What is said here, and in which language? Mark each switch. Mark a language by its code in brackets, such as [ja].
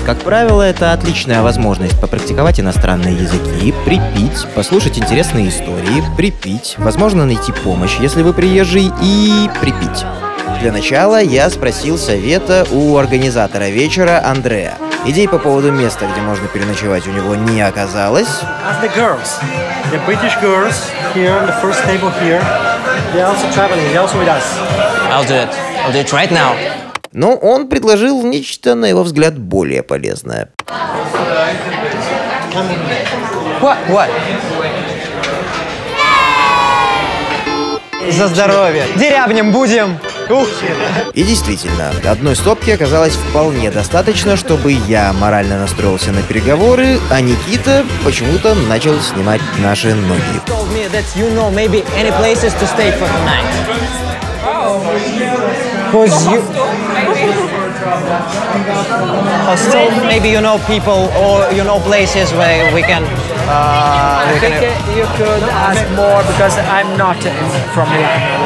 [ru] Как правило, это отличная возможность попрактиковать иностранные языки, припить, послушать интересные истории, припить, возможно, найти помощь, если вы приезжий, и припить. Для начала я спросил совета у организатора вечера Андреа. Идей по поводу места, где можно переночевать, у него не оказалось. [en] As the girls, the British girls here on the first table here, they also traveling, they also with us. I'll do it right now. [ru] Но он предложил нечто, на его взгляд, более полезное. [en] What? [ru] За здоровье. Дерябнем будем. И действительно, одной стопки оказалось вполне достаточно, чтобы я морально настроился на переговоры, а Никита почему-то начал снимать наши ноги. [en] Hostel, maybe you know people or you know places where we can. I think you could ask more because I'm not from Milan.